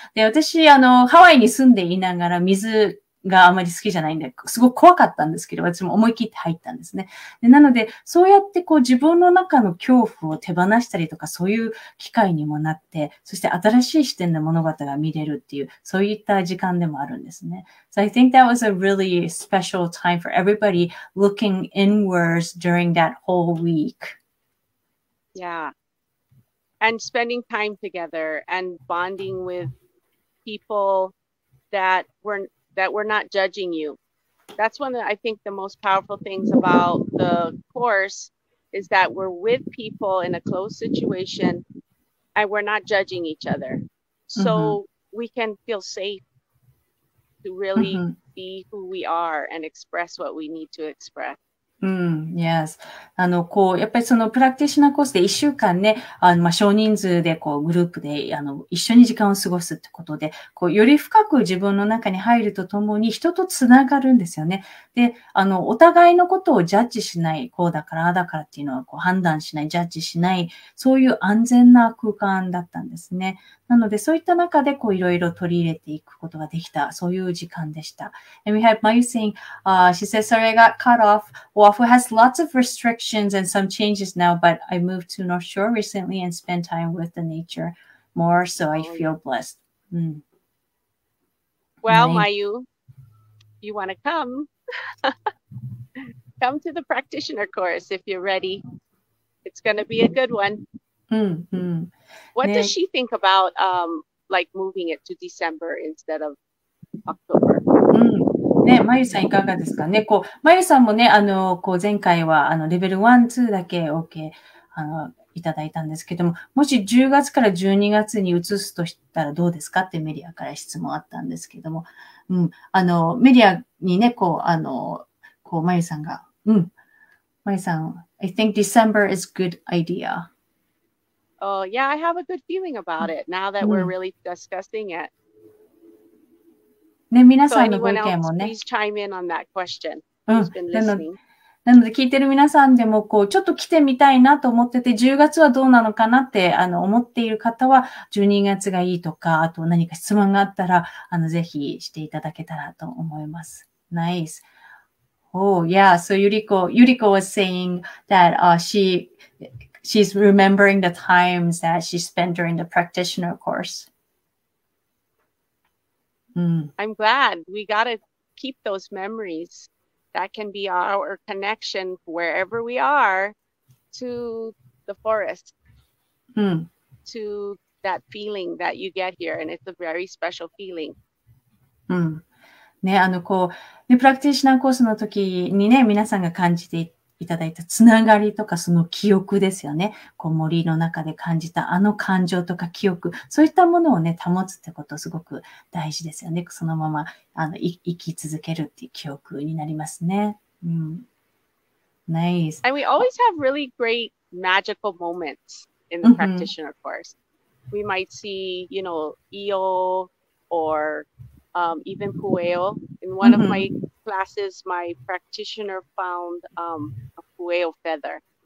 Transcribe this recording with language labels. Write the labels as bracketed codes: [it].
[ja] で、私、ハワイに住んでいながら、水、があまり好きじゃないんで、すごく怖かったんですけど、私も思い切って入ったんですね。でなので、そうやってこう自分の中の恐怖を手放したりとか、そういう機会にもなって、そして新しい視点で物語が見れるっていう、そういった時間でもあるんですね。 [en] So I think that was a really special time for everybody looking inwards during that whole week. Yeah. And spending time together and bonding with people that weren't,that we're not judging you. That's one of, I think, the most powerful things about the course is that we're with people in a close situation and we're not judging each other. So we can feel safe to really be who we are and express what we need to express. Yes. [ja] こう、やっぱりそのプラクティショナーコースで一週間ね、まあ、少人数でこう、グループで、一緒に時間を過ごすってことで、こう、より深く自分の中に入るとともに人とつながるんですよね。で、お互いのことをジャッジしない、こうだから、ああだからっていうのは、こう、判断しない、ジャッジしない、そういう安全な空間だったんですね。なので、そういった中で、こう、いろいろ取り入れていくことができた、そういう時間でした。 [en] And we have Mayu saying, she says, sorry, I got cut off. Oahu has lots of restrictions and some changes now, but I moved to North Shore recently and spent time with the nature more, so I feel blessed. Well, Mayu, you want to come? Come to the practitioner course if you're ready. It's going to be a good one. What does she think about, like moving it to December instead of October? [ja] ね、まゆさんいかがですかね。こう、まゆさんもね、こう前回は、レベル1、2だけ OK、いただいたんですけども、もし10月から12月に移すとしたらどうですかってメディアから質問あったんですけども、メディアにね、こう、こう、まゆさんが、まゆさん、 [en] I think December is good idea. Oh, yeah, I have a good feeling about it now that we're really discussing it. [ja] ね、皆さんのご意見もね。 [en] Please chime in on that question. [ja] なので聞いてる皆さんでもこうちょっと来てみたいなと思ってて、10月はどうなのかなって思っている方は、12月がいいとか、あと何か質問があったらぜひしていただけたらと思います。 [en] Nice. Oh yeah, so Yuriko was saying that she's remembering the times that she spent during the practitioner course. I'm glad we got to keep those memories. That can be our connection wherever we are to the forest, to that feeling that you get here. And it's a very special feeling. [ja] ね、こう、ね、プラクティシナーコースの時にね、皆さんが感じていただいたつながりとか、その記憶ですよね。こう、森の中で感じた感情とか記憶、そういったものをね、保つってこと、すごく大事ですよね。そのまま、生き続けるっていう記憶になりますね。 [en] Nice. And we always have really great magical moments in the practitioner course. We might see, you know, eel or even pueo. In one of my classes, my practitioner found a pueo feather.